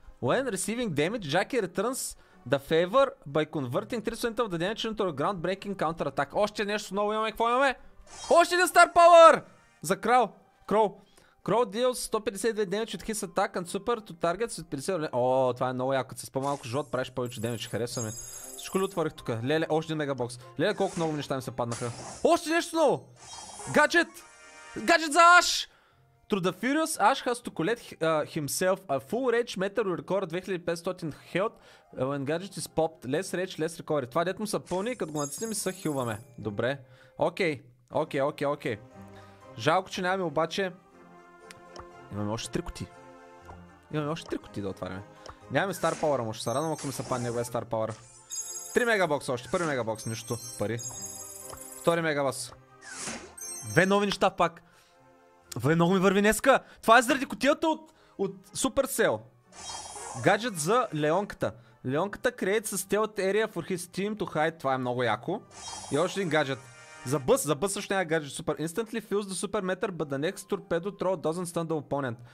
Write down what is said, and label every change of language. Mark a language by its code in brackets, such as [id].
[en] When receiving damage, Джаки returns the favor by converting 3% of the damage into a groundbreaking counter-attack. [bg] Още нещо ново имаме, какво имаме? Още един стар пауър! За крал! Крол! Крол [en] deals 152 damage [bg] от [en] his attack and super to target [bg] с 50... ооо, това е много яко. С по-малко живот правиш повече damage, харесва ми. Всичко ли отворих тука? Леле, още един мегабокс. Леле, колко много неща ми се паднаха. Още нещо ново! Гаджет! Гаджет за Аш! [en] Through the Furious, Ash has to collect himself a full rage meter record 2500 health when gadget is popped. Less rage, less recovery. [bg] Това дет му са пълни и като го натиснем се хилваме. Добре. Окей. Окей, окей, окей. Жалко, че нямаме обаче... имаме още три кутии. Имаме още три кутии да отваряме. Нямаме стар пауъра, може се радвам, ако ми се падне негове стар пауъра. Три мегабокс още, първи мегабокс, нищо, пари. Втори мегабокс. Две нови неща пак. Въй, много ми върви днеска. Това е заради кутията от Supercell. Гаджет за Леонката. Леонката [en] creates a stealth area for his team to hide. [bg] Това е много яко. И още един гаджет. За бъс също няма гаджет, супер. [en] Instantly fills the super meter, but the next torpedo throw doesn't stun the opponent.